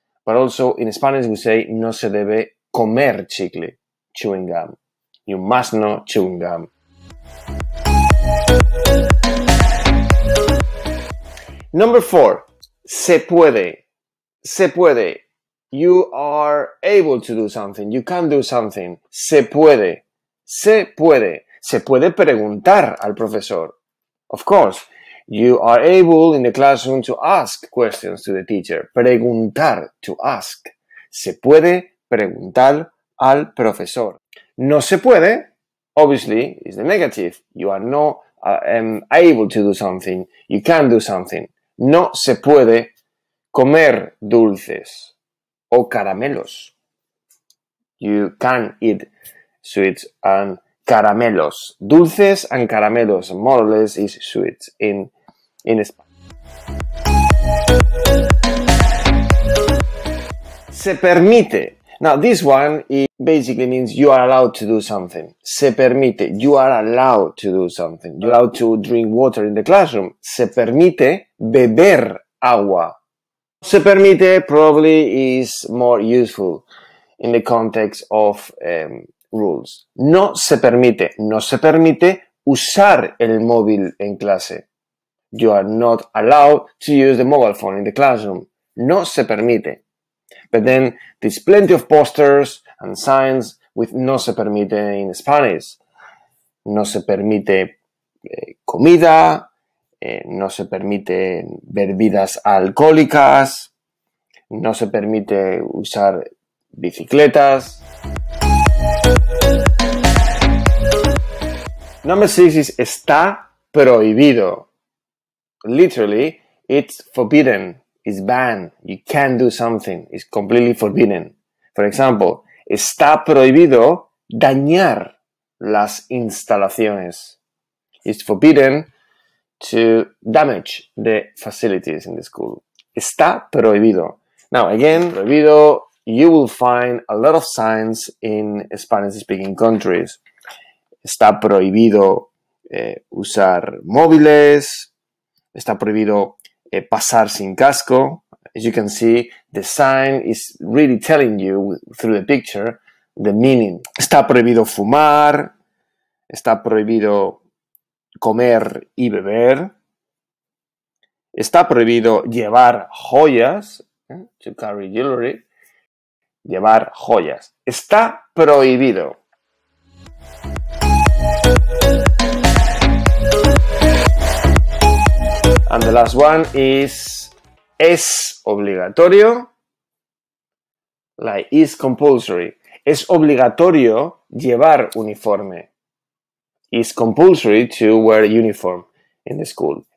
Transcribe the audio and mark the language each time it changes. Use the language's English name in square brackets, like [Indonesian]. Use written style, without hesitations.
[English] But also in Spanish we say [Spanish] no se debe comer chicle, [English] chewing gum. You must not chew gum. Number four, se puede. Se puede. You are able to do something. You can do something. Se puede. Se puede. [Spanish] Se puede preguntar al profesor. [English] Of course, you are able in the classroom to ask questions to the teacher. Preguntar, to ask. [Spanish] Se puede preguntar al profesor. [English] No se puede, obviously, is the negative. You are not able to do something. You can do something. [Spanish] No se puede comer dulces o caramelos. [English] You can eat sweets and caramelos. Dulces and caramelos, more or less, is sweets in Spanish. Se permite. Now, this one, it basically means you are allowed to do something. Se permite. You are allowed to do something. You're allowed to drink water in the classroom. [Spanish] Se permite beber agua. [English] Se permite probably is more useful in the context of rules. [Spanish] No se permite. No se permite usar el móvil en clase. [English] You are not allowed to use the mobile phone in the classroom. No se permite. But then there's plenty of posters and signs with no se permite in Spanish. [Spanish] No se permite comida. No se permite bebidas alcohólicas. No se permite usar bicicletas. [English] Number six is está prohibido. Literally, it's forbidden. It's banned. You can't do something. It's completely forbidden. For example, [Spanish] está prohibido dañar las instalaciones. [English] It's forbidden to damage the facilities in the school. Está prohibido. Now, again, prohibido, you will find a lot of signs in Spanish-speaking countries. [Spanish] Está prohibido usar móviles. Está prohibido pasar sin casco. [English] As you can see, the sign is really telling you through the picture the meaning. [Spanish] Está prohibido fumar. Está prohibido comer y beber. Está prohibido llevar joyas. [English] To carry jewelry. [Spanish] Llevar joyas. Está prohibido. [English] And the last one is, es obligatorio, like, is compulsory. [Spanish] Es obligatorio llevar uniforme. [English] Is compulsory to wear a uniform in the school.